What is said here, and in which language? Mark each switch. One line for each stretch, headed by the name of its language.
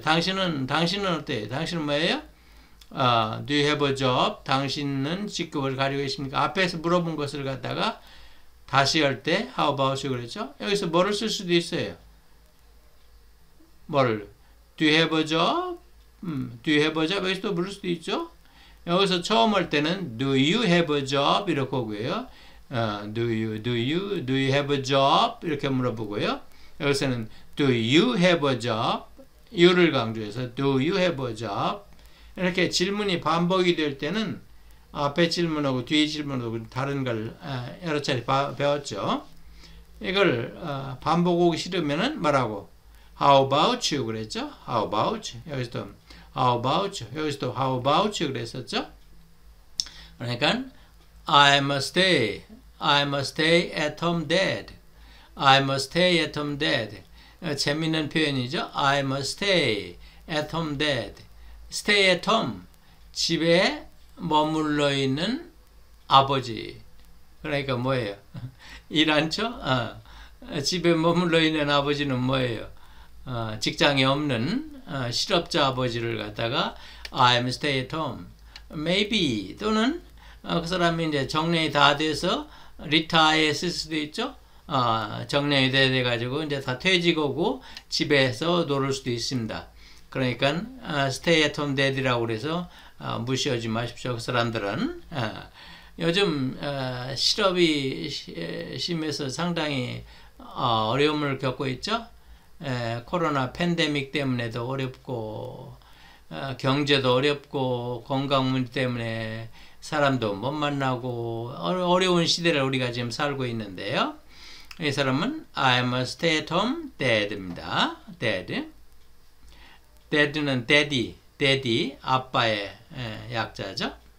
Korean: 당신은 어때요? 당신은 뭐예요?
English: Do you have a job?
Korean: 당신은 직급을 가지고 계십니까? 앞에서 물어본 것을 갖다가 다시 할 때 How about you 그랬죠? 여기서 뭐를 쓸 수도 있어요?
English: 뭐를? Do you have a job? Do you have a job?
Korean: 여기서 또 물을 수도 있죠? 여기서 처음 할 때는
English: Do you have a job?
Korean: 이렇게 하고요.
English: Do you have a job?
Korean: 이렇게 물어보고요. 여기서는
English: Do you have a job? You를 강조해서 Do you have a job?
Korean: 이렇게 질문이 반복이 될 때는 앞에 질문하고 뒤에 질문하고 다른 걸 여러 차례 배웠죠. 이걸 반복하기 싫으면 뭐라고?
English: How about you?
Korean: 그랬죠.
English: How about you? 여기서도 How about you? 여기서도 How about you?
Korean: 그랬었죠.
English: 그러니까 I must stay at home, Dad. I must stay at home, Dad.
Korean: 재미있는 표현이죠.
English: I must stay at home, Dad. Stay at home.
Korean: 집에 머물러 있는 아버지. 그러니까 뭐예요? 일한처? 집에 머물러 있는 아버지는 뭐예요? 직장이 없는 실업자 아버지를 갖다가
English: I am stay at home.
Korean: Maybe 또는 그 사람이 이제 정년이 다 돼서 retire 했을 수도 있죠. 정년이 돼가지고 이제 다 퇴직하고 집에서 놀을 수도 있습니다. 그러니까 stay at home dad이라고 그래서 무시하지 마십시오. 그 사람들은 요즘 실업이 심해서 상당히 어려움을 겪고 있죠. 코로나 팬데믹 때문에도 어렵고 경제도 어렵고 건강 문제 때문에 사람도 못 만나고 어려운 시대를 우리가 지금 살고 있는데요. 이 사람은
English: I am a stay at home dad입니다. Dad. Dad는 daddy.
Korean: Daddy, 아빠의 약자죠.